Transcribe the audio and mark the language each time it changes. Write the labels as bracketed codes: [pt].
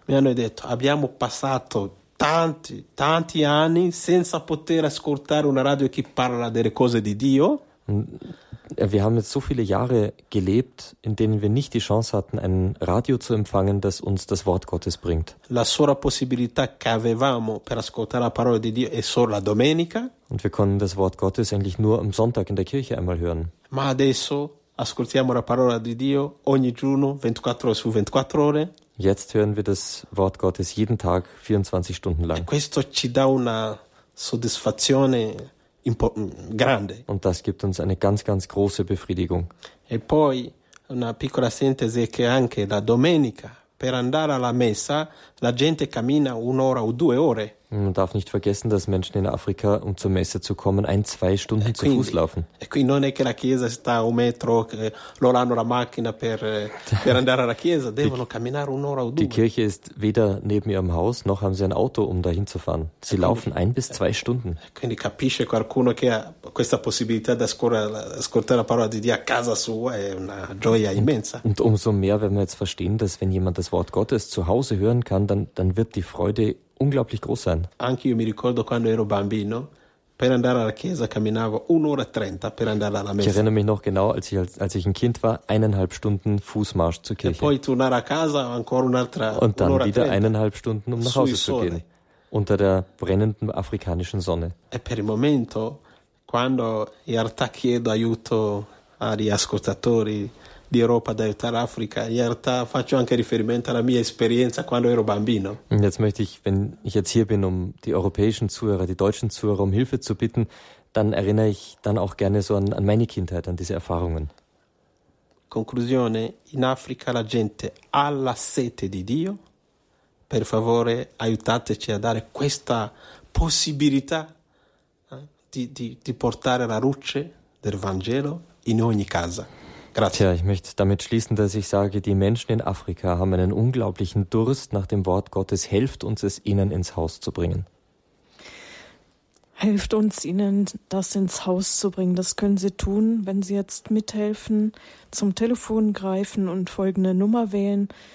[it] Mi hanno detto, abbiamo passato tanti anni senza poter ascoltare una radio che parla delle cose di Dio. [de] Wir haben jetzt so viele Jahre gelebt, in denen wir nicht die Chance hatten, ein Radio zu empfangen, das uns das Wort Gottes bringt. [it] La sola possibilità che avevamo per ascoltare la parola di Dio è solo la domenica. [de] Und wir konnten das Wort Gottes eigentlich nur am Sonntag in der Kirche einmal hören. [it] Ma adesso ascoltiamo la parola di Dio ogni giorno 24 ore su 24 ore. [de] Jetzt hören wir das Wort Gottes jeden Tag 24 Stunden lang. [it] E questo ci dà una soddisfazione grande. [de] Und das gibt uns eine ganz, ganz große Befriedigung. [it] E poi una piccola sintesi che anche la domenica per andare alla messa la gente cammina un'ora o due ore. [de] Man darf nicht vergessen, dass Menschen in Afrika, um zur Messe zu kommen, ein, zwei Stunden zu Fuß laufen. [it] E quindi non è che la chiesa sta un metro, loro hanno la macchina per andare alla chiesa, devono camminare un'ora o due. [de] Die Kirche ist weder neben ihrem Haus, noch haben sie ein Auto, um dahin zu fahren. Sie laufen ein bis zwei Stunden. [it] Quindi capisce qualcuno che ha questa possibilità di ascoltare la parola di Dio a casa sua, è una gioia immensa. [de] Und umso mehr, wenn wir jetzt verstehen, dass wenn jemand das Wort Gottes zu Hause hören kann, dann wird die Freude unglaublich groß sein. [it] Anche io mi ricordo quando ero bambino, per andare alla chiesa camminavo un'ora e trenta per andare alla messa. [de] Ich erinnere mich noch genau, als ich ein Kind war, eineinhalb Stunden Fußmarsch zur Kirche. [it] E poi tornare a casa ancora un'altra un'ora. [de] Und dann wieder eineinhalb Stunden, um nach Hause zu gehen, unter der brennenden afrikanischen Sonne. [it] E per il momento, quando in realtà chiedo aiuto agli ascoltatori di Europa ad aiutare l'Africa, in realtà faccio anche riferimento alla mia esperienza quando ero bambino. [de] Jetzt möchte ich, wenn ich jetzt hier bin, um die europäischen Zuhörer, die deutschen Zuhörer um Hilfe zu bitten, dann erinnere ich dann auch gerne so an meine Kindheit, an diese Erfahrungen. [it] Conclusione: in Africa la gente ha la sete di Dio. Per favore, aiutateci a dare questa possibilità di portare la luce del Vangelo in ogni casa. [de] Tja, ich möchte damit schließen, dass ich sage, die Menschen in Afrika haben einen unglaublichen Durst nach dem Wort Gottes. Helft uns, es ihnen ins Haus zu bringen. Helft uns, ihnen das ins Haus zu bringen. Das können Sie tun, wenn Sie jetzt mithelfen, zum Telefon greifen und folgende Nummer wählen.